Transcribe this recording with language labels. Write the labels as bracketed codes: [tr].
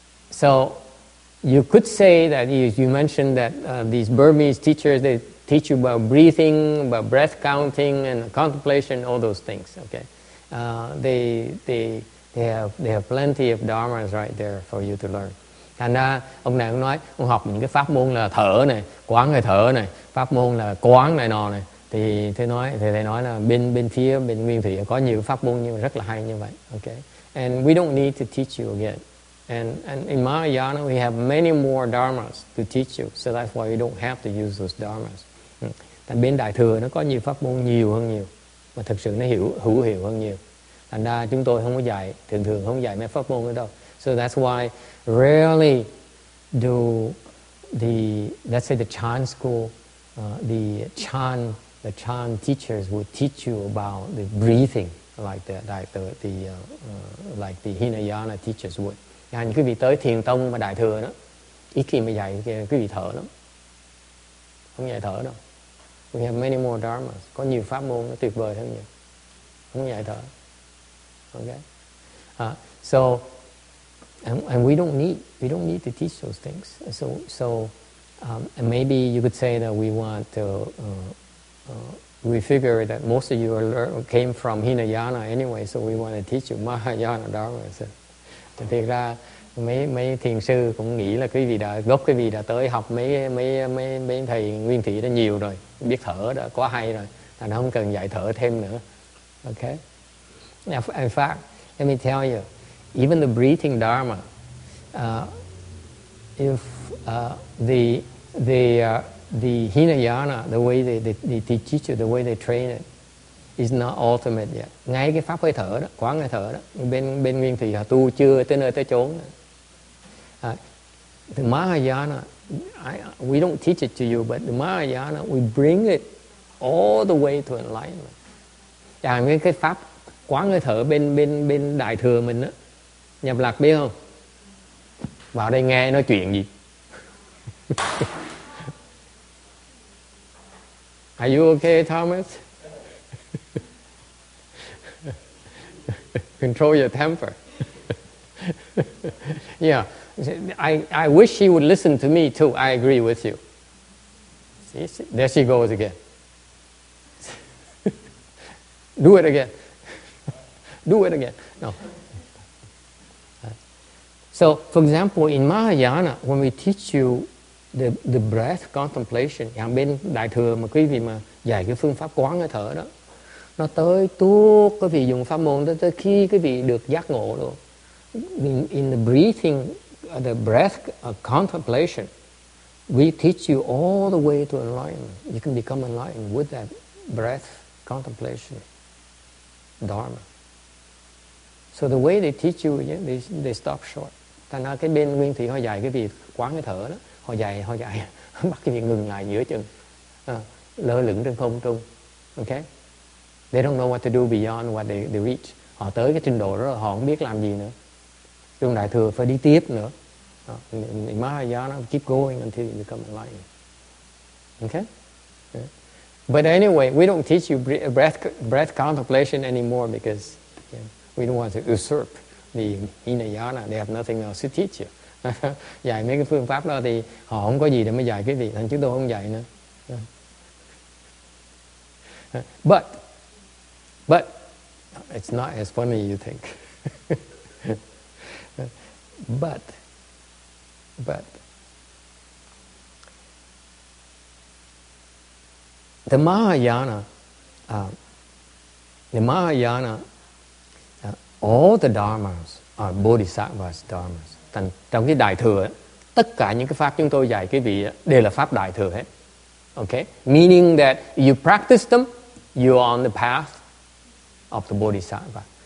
[en] So you could say that you mentioned that these Burmese teachers, they teach you about breathing, about breath counting and contemplation, all those things. Okay, they have plenty of dharmas right there for you to learn. [vi] Thành ra ông này cũng nói ông học những cái pháp môn là thở này, quán hơi thở này, pháp môn là quán này nọ này. Thì thầy nói là bên phía bên nguyên thủy có nhiều pháp môn nhưng mà rất là hay như vậy. [en] Okay, and we don't need to teach you again. And in Mahayana we have many more dharmas to teach you, so that's why you don't have to use those dharmas. [vi] Tại bên đại thừa nó có nhiều pháp môn nhiều hơn nhiều, mà thực sự nó hiểu hữu hiệu hơn nhiều. Thành ra chúng tôi không có dạy, thường thường không dạy mấy pháp môn nữa đâu. [en] So that's why rarely do the, let's say the Chan school, the Chan teachers would teach you about the breathing like the Hinayana teachers would. [vi] Nhà những quý vị tới thiền tông mà đại thừa đó, ít khi mà dạy quý vị thở lắm, không dạy thở đâu. [en] We have many more dharmas, [vi] có nhiều pháp môn nó tuyệt vời hơn nhiều, không dạy thở. [en] Okay, so and we don't need to teach those things. So and maybe you could say that we want to we figure that most of you came from Hinayana anyway, so we want to teach you Mahayana dharma. So, [vi] thực ra mấy thiền sư cũng nghĩ là quý vị đã tới học mấy thầy nguyên thủy đã nhiều rồi, biết thở đã quá hay rồi, là nó không cần dạy thở thêm nữa. [en] Okay, now in fact let me tell you, even the breathing dharma, if the Hinayana, the way they teach you, the way they train it, is not ultimate yet. [vi] Ngay cái pháp hơi thở đó, quán hơi thở đó, bên nguyên thủy họ tu chưa tới nơi tới chốn. [en] The Mahayana, we don't teach it to you, but the Mahayana, we bring it all the way to enlightenment. [vi] Chẳng như cái pháp quán hơi thở bên đại thừa mình đó, nhập lạc biết không? Vào đây nghe nói chuyện gì? [en] Are you okay, Thomas? Control your temper. Yeah, I wish he would listen to me too. I agree with you. See, there she goes again. Do it again. Do it again. No. So, for example, in Mahayana, when we teach you the breath contemplation, [vi] yang bên đại thừa mà quý vị mà dạy cái phương pháp quán hơi thở đó, nó tới tuốt quý vị dùng pháp môn tới khi quý vị được giác ngộ rồi. [en] In the breathing, the breath contemplation, we teach you all the way to enlightenment. You can become enlightened with that breath contemplation dharma. So the way they teach you, yeah, they stop short. [vi] Thành ra cái bên nguyên thủy họ dạy cái việc quán hơi thở đó, họ dạy bắt cái việc ngừng lại giữa chừng, lơ lửng trên không trung. [en] Okay, they don't know what to do beyond what they reach. [vi] Họ tới cái trình độ đó họ không biết làm gì nữa, trong đại thừa phải đi tiếp nữa. [en] Mahayana keep going until you become enlightened. Okay, but anyway, we don't teach you breath contemplation anymore because, you know, we don't want to usurp the Hinayana. They have nothing else to teach you. [vi] Dạy mấy cái phương pháp đó thì họ không có gì để mà dạy cái gì, thành chúng tôi không dạy nữa. [en] But it's not as funny as you think. But the Mahayana, all the dharmas are bodhisattvas dharmas. [vi] Trong cái đại thừa, tất cả những cái pháp chúng tôi dạy quý vị đều là pháp đại thừa hết. [en] Okay? Meaning that you practice them, you are on the path of the Bodhisattva.